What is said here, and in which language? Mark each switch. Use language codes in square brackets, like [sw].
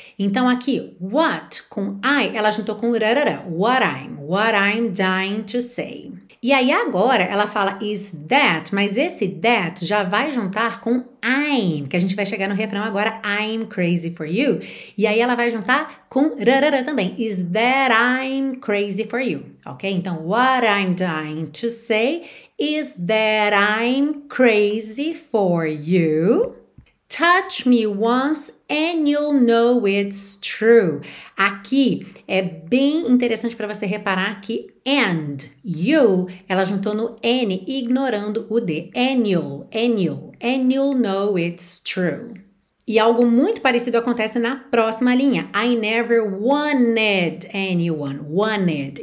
[pt] Então aqui, what com I, ela juntou com rarara. [en] What I'm dying to say. [pt] E aí agora ela fala is that, mas esse that já vai juntar com I'm, que a gente vai chegar no refrão agora, [en] I'm crazy for you. [pt] E aí ela vai juntar com rarara também. [en] Is that I'm crazy for you? Ok? Então, what I'm dying to say is that I'm crazy for you. Touch me once and you'll know it's true. [pt] Aqui é bem interessante para você reparar que [en] and you, [pt] ela juntou no N, ignorando o D. [en] And you'll know it's true. [pt] E algo muito parecido acontece na próxima linha. [en] I never wanted anyone. Wanted.